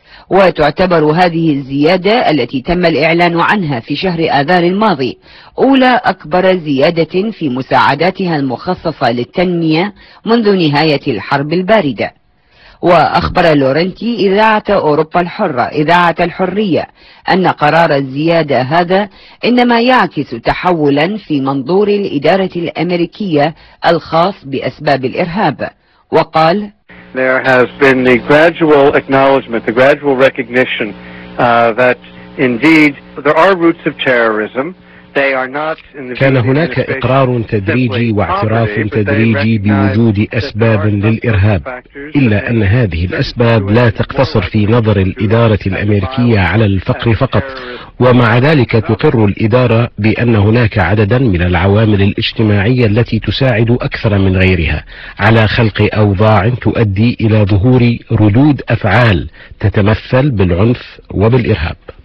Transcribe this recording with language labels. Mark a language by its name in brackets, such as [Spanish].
[Arabic] وتعتبر هذه الزيادة التي تم الإعلان عنها في شهر آذار الماضي أولى أكبر زيادة في مساعداتها المخصصة للتنمية منذ نهاية الحرب الباردة. وأخبر لورنتي إذاعة أوروبا الحرة إذاعة الحرية أن قرار الزيادة هذا إنما يعكس تحولا في منظور الإدارة الأمريكية الخاص بأسباب الإرهاب، وقال: [English] There has been the gradual acknowledgement, the gradual recognition that indeed there are roots of terrorism. [Arabic] كان هناك إقرار تدريجي واعتراف تدريجي بوجود أسباب للإرهاب، إلا أن هذه الأسباب لا تقتصر في نظر الإدارة الأمريكية على الفقر فقط، ومع ذلك تقر الإدارة بأن هناك عددا من العوامل الاجتماعية التي تساعد أكثر من غيرها على خلق أوضاع تؤدي إلى ظهور ردود أفعال تتمثل بالعنف وبالإرهاب.